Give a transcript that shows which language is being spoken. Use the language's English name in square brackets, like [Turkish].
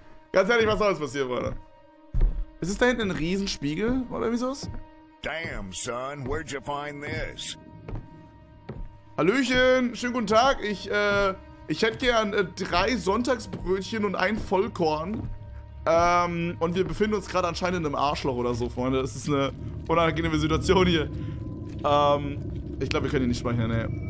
[German] Ganz ehrlich, was soll jetzt passieren, Bruder? Ist es da hinten ein Riesenspiegel oder wieso? [English] Damn, son, where'd you find this? [German] Hallöchen, schönen guten Tag. Ich hätte gern 3 Sonntagsbrötchen und 1 Vollkorn. Und wir befinden uns gerade anscheinend in einem Arschloch oder so, Freunde. Das ist eine unangenehme Situation hier. Ich glaube, wir können hier nicht speichern, ne.